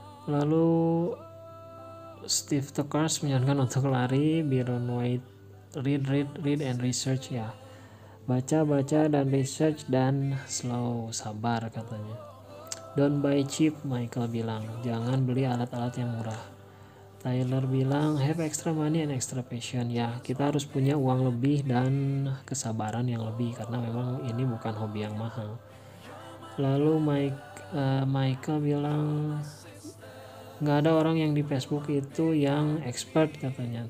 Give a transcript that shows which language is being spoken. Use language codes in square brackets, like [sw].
[id] Lalu Steve Tokars menyarankan untuk lari, Byron White, [en] read and research [id] ya. Baca dan research dan slow, sabar, katanya. [en] Don't buy cheap, [id] Michael bilang. Jangan beli alat-alat yang murah. Tyler bilang, [en] have extra money and extra passion. [id] Ya, kita harus punya uang lebih dan kesabaran yang lebih. Karena memang ini bukan hobi yang mahal. Lalu Michael bilang, gak ada orang yang di Facebook itu yang expert, katanya.